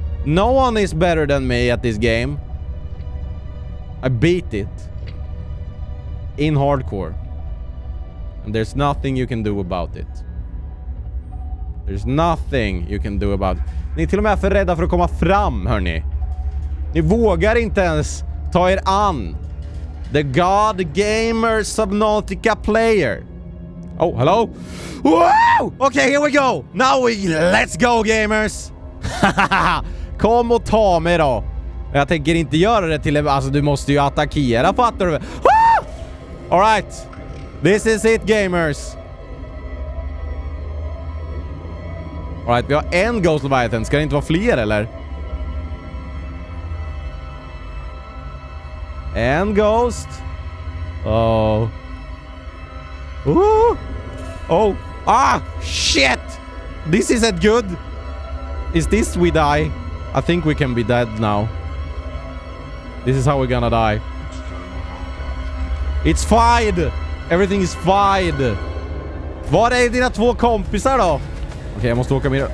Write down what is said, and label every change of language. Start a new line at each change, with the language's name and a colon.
English: No one is better than me at this game. I beat it. In hardcore. And there's nothing you can do about it. There's nothing you can do about it.
Swedish: Ni är till och med för rädda för att komma fram, hörni. Ni vågar inte ens ta er an.
English: The God Gamer Subnautica Player. Oh, hello? Wow! Okay, here we go. Now we... Let's go, gamers!
Swedish: Kom och ta mig då. Jag tänker inte göra det till... Alltså, du måste ju attackera, fattar du?
English: All right. This is it, gamers. All right,
Swedish: vi har en Ghost Leviathan. Ska det inte vara fler, eller?
English: And ghost. Oh. Ooh. Oh. Ah, shit! This isn't good. Is this we die? I think we can be dead now. This is how we're gonna die. It's fine! Everything is fine!
Swedish: Var är dina två kompisar då? Okej, okay, jag måste åka med.